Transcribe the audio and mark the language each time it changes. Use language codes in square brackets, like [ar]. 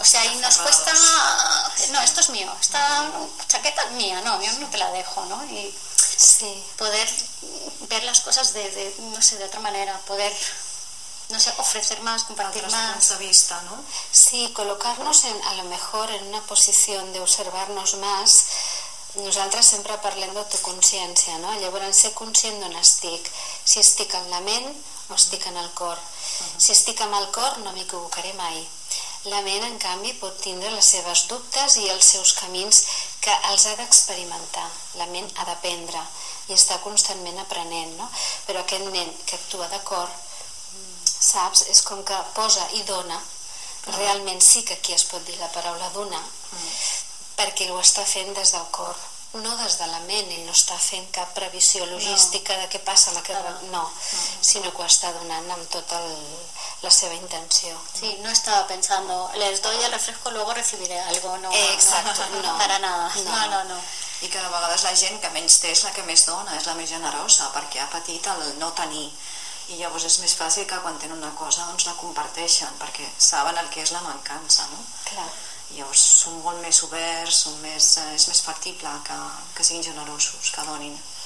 [es] o sea, y nos cuesta, no, esto es mío, esta chaqueta es mía, no, yo no te la dejo, ¿no? Y sí, poder ver las cosas de no sé, de otra manera, poder, no sé, ofrecer más, compartir más. Otros puntos de vista, ¿no? Sí, colocarnos en, a lo mejor en una posición de observarnos más. [ca] Nosaltres sempre parlem d'autoconsciència, no? Llavors, ser conscient d'on estic, si estic en la ment o estic en el cor. Si estic amb el cor, no m'equivocaré mai. La ment, en canvi, pot tindre les seves dubtes i els seus camins que els ha d'experimentar. La ment ha d'aprendre i està constantment aprenent, no? Però aquest nen que actua de cor, saps, és com que posa i dona. Realment sí que aquí es pot dir la paraula dona, perquè ho està fent des del cor, no des de la ment. Ell no està fent cap previsió logística de què passa amb aquest... No, sinó que ho està donant amb tota la seva intenció. [es] Sí, [ca] no estava pensant, [es] les doy el refresco, luego recibiré algo. No, exacto, no. Para nada. No. [ca] I que de vegades la gent que menys té és la que més dona, és la més generosa, perquè ha patit el no tenir. I llavors és més fàcil que quan tenen una cosa, doncs la comparteixen, perquè saben el que és la mancança, no? Clar. Llavors són molt més oberts, són més, és més factible que siguin generosos, que donin.